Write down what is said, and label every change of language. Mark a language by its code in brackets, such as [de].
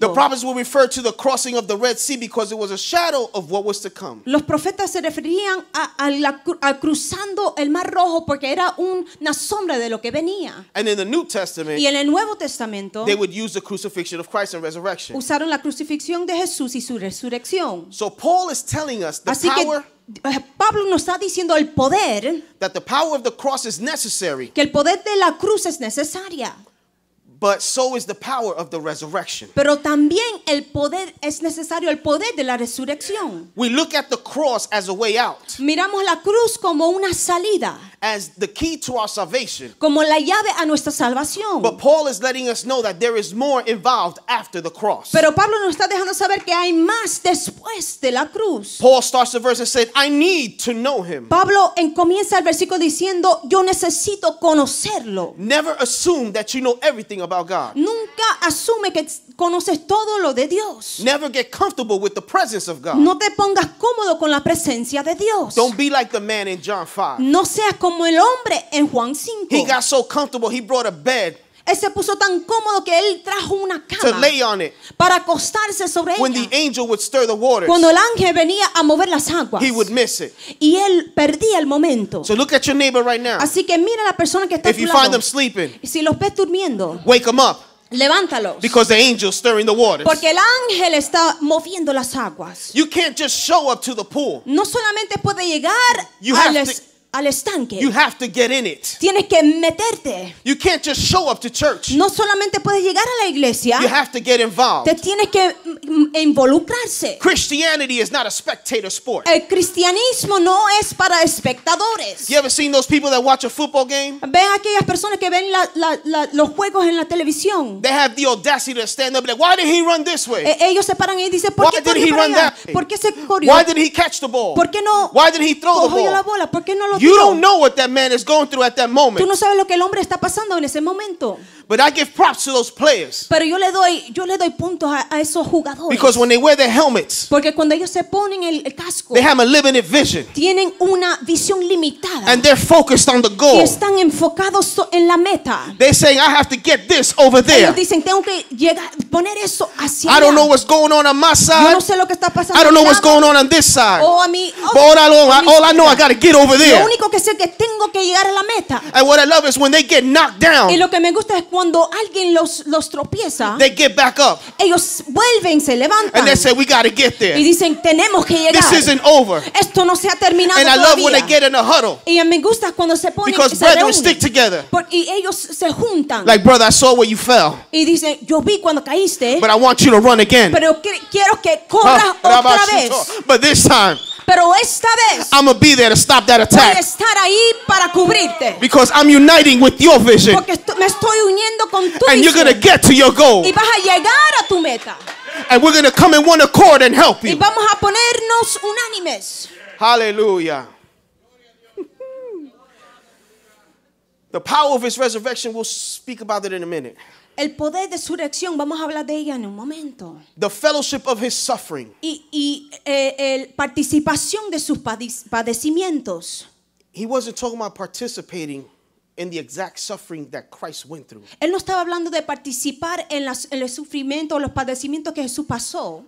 [en] The prophets will refer to the crossing of the Red Sea because it was a shadow of what was to come. [es] Los profetas se referían a cruzando el Mar Rojo porque era una sombra de lo que venía. [en] And in the New Testament. [es] Y en el Nuevo Testamento. [en] They would use the crucifixion of Christ and resurrection. [es] Usaron la crucifixión de Jesús y su resurrección. [en] So Paul is telling us the [es] así [en] power. [es] Pablo nos está diciendo el poder [en] that the power of the cross is necessary [es] que el poder de la cruz es necesaria [en] But so is the power of the resurrection. [es] Pero también el poder es necesario, el poder de la resurrección. [en] We look at the cross as a way out. [es] Miramos la cruz como una salida. [en] As the key to our salvation. [es] Como la llave a nuestra salvación. [en] But Paul is letting us know that there is more involved after the cross. [es] Pero Pablo nos está dejando saber que hay más después de la cruz. [en] Paul starts the verse and said, I need to know him. [es] Pablo comienza el versículo diciendo, yo necesito conocerlo. [en] Never assume that you know everything about God. [es] Nunca asume que conoces todo lo de Dios. [en] Never get comfortable with the presence of God. [es] No te pongas cómodo con la presencia de Dios. [en] Don't be like the man in John 5. [es] No seas como el hombre en Juan 5. [en] He got so comfortable, he brought a bed. [es] Él se puso tan cómodo que él trajo una cama para acostarse sobre ella. [en] When the angel would stir the waters, [es] cuando el ángel venía a mover las aguas, [en] he would miss it. [es] Y él perdía el momento. [en] So look at your neighbor right now. [es] Así que mira a la persona que está a tu lado. [en] If you find them sleeping, [es] si los ves durmiendo, [en] wake them up. [es] Levántalos. [en] Because the angel's stirring the waters. [es] Porque el ángel está moviendo las aguas. [en] You can't just show up to the pool. [es] No solamente puede llegar al estanque. [en] You have to get in it. [es] Tienes que meterte. [en] You can't just show up to church. [es] No solamente puedes llegar a la iglesia. [en] You have to get involved. [es] Te tienes que involucrarse. [en] Christianity is not a spectator sport. [es] El cristianismo no es para espectadores. [en] You ever seen those people that watch a football game? [es] Ven aquellas personas que ven los juegos en la televisión. [en] They have the audacity to stand up and be like, why did he run this way? [es] Ellos se paran y dicen, ¿por qué corrió para allá? ¿Por qué se corrió? [en] Why did he catch the ball? [es] ¿Por qué no? [en] Why did he throw the ball? [es] La bola. ¿Por qué no? [en] You don't know what that man is going through at that moment. [es] Tú no sabes lo que el hombre está pasando en ese momento. [en] But I give props to those players. [es] Pero yo le doy puntos a esos jugadores. [en] Because when they wear their helmets. [es] Porque cuando ellos se ponen el casco. [en] They have a limited vision. [es] Tienen una visión limitada. [en] And they're focused on the goal. [es] Y están enfocados en la meta. [en] They're saying, I have to get this over there. [es] Ellos dicen, tengo que llegar, poner eso hacia allá. [en] I don't know what's going on my side. [es] Yo no sé lo que está pasando. [en] I don't know what's going on this side. [es] O a mí. [en] But all I know, I got to get over there. [es] Lo único que sé es que tengo que llegar a la meta. [en] And what I love is when they get knocked down. [es] Y lo que me gusta es cuando alguien los tropieza, [en] they get back up. [es] Ellos vuelven, se levantan. [en] And they say, we got to get there. [es] Y dicen, tenemos que llegar. [en] This isn't over. [es] Esto no se ha terminado todavía. [en] And I love when they get in a huddle. [es] Y me gusta cuando se ponen, [en] because [es] se [en] brethren [es] reúnen, [en] stick together. [es] Y ellos se juntan. [en] Like, brother, I saw where you fell. [es] Y dicen, yo vi cuando caíste. [en] But I want you to run again. [es] Pero quiero que corras otra vez. [en] But this time, [es] pero esta vez, [en] I'm going to be there to stop that attack. [es] Voy a estar ahí para cubrirte. [en] Because I'm uniting with your vision. [es] Porque me estoy uniendo con tu [en] and vision. You're going to get to your goal. [es] Y vas a llegar a tu meta. [en] And we're going to come in one accord and help you. [es] Y vamos a ponernos unánimes. [en] Hallelujah. The power of his resurrection, we'll speak about it in a minute. [es] El poder de su resurrección, vamos a hablar de ella en un momento. [en] The fellowship of his suffering. [es] Y participación de sus padecimientos. [en] He wasn't talking about participating in the exact suffering that Christ went through. [es] Él no estaba hablando de participar en el sufrimiento o los padecimientos que Jesús pasó.